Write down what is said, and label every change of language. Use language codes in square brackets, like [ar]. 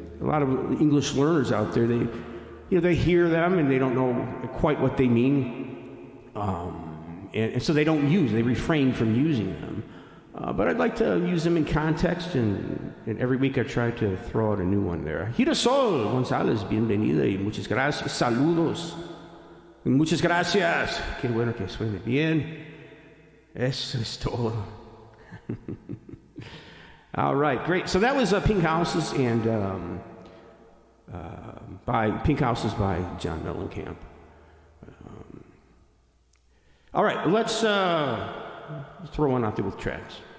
[en] A lot of English learners out there, they, you know, they hear them and they don't know quite what they mean, and so they don't use. They refrain from using them. But I'd like to use them in context, and every week I try to throw out a new one there. [es] Girasol González, bienvenido y muchas gracias. Saludos. Muchas gracias. Qué bueno que suene bien. Eso es todo. [en] All right, great. So that was Pink Houses and by Pink Houses by John Mellencamp. All right, let's throw one out there with tracks.